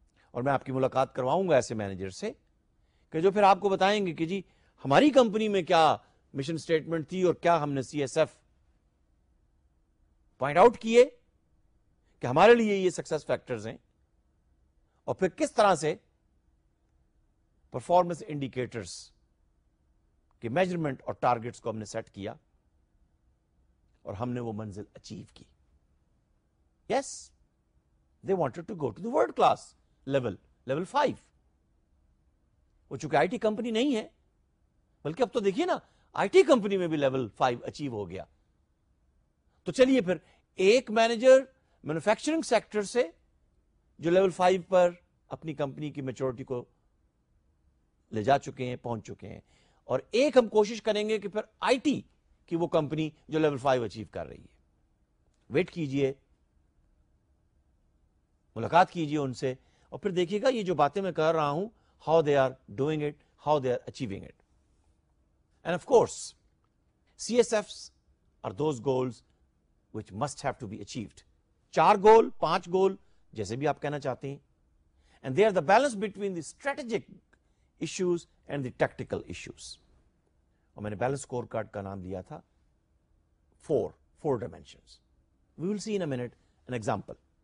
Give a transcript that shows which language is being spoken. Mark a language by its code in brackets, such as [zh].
[ur] اور میں آپ کی ملاقات کرواؤں گا ایسے مینیجر سے کہ جو پھر آپ کو بتائیں گے کہ جی ہماری کمپنی میں کیا مشن اسٹیٹمنٹ تھی, اور کیا ہم نے C S F point out کیے کہ ہمارے لیے یہ سکسیس فیکٹرز ہیں, اور پھر کس طرح سے پرفارمنس انڈیکیٹرز کے میجرمنٹ اور ٹارگٹس کو ہم نے سیٹ کیا اور ہم نے وہ منزل اچیو کی. [en] Yes, they wanted to go to the world class level, level 5. [ur] وہ چونکہ آئی ٹی کمپنی نہیں ہے, بلکہ اب تو دیکھیے نا آئی ٹی کمپنی میں بھی لیول 5 اچیو ہو گیا. تو چلیے پھر ایک مینیجر مینوفیکچرنگ سیکٹر سے جو لیول 5 پر اپنی کمپنی کی میچورٹی کو لے جا چکے ہیں, پہنچ چکے ہیں, اور ایک ہم کوشش کریں گے کہ پھر آئی ٹی کی وہ کمپنی جو لیول 5 اچیو کر رہی ہے. ویٹ کیجئے, ملاقات کیجئے ان سے, اور پھر دیکھیے گا یہ جو باتیں میں کر رہا ہوں, [en] How they are doing it, how they are achieving it. And of course C S F R those goals which must have to be achieved, 4 goal, 5 goal, [ur] جیسے بھی آپ کہنا چاہتے ہیں. [en] And they are the balance between the strategic issues and the tactical issues. [ur] اور میں نے balance score card کا نام لیا تھا 4 dimensions. [en] We will see in a minute an example.